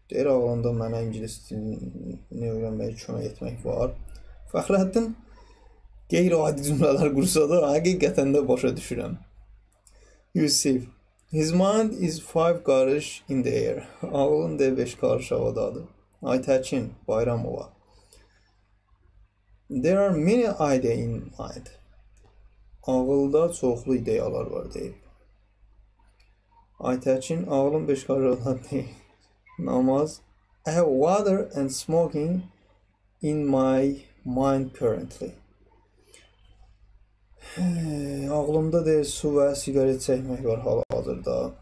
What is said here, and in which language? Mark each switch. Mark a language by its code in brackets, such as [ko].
[az] Deyir, ağlında mənə ingilis dilini öyrənməyə kömək etmək var. Fəxrəddin, qeyri-adi cümlələr qursa da, həqiqətən də başa düşürəm. [en] Yusif, his mind is 5 qarış in the air. [az] Ağlında 5 qarış havadadır. Aytəkin, Bayramova. [en] There are many ideas in mind. [az] Ağılda çoxlu ideyalar var deyib. Aytəkin, ağlım 5 qarşıda deyib. Namaz. [en] I have water and smoking in my mind currently. [az] Ağlımda deyir, su və sigaret çəkmək var hal-hazırda.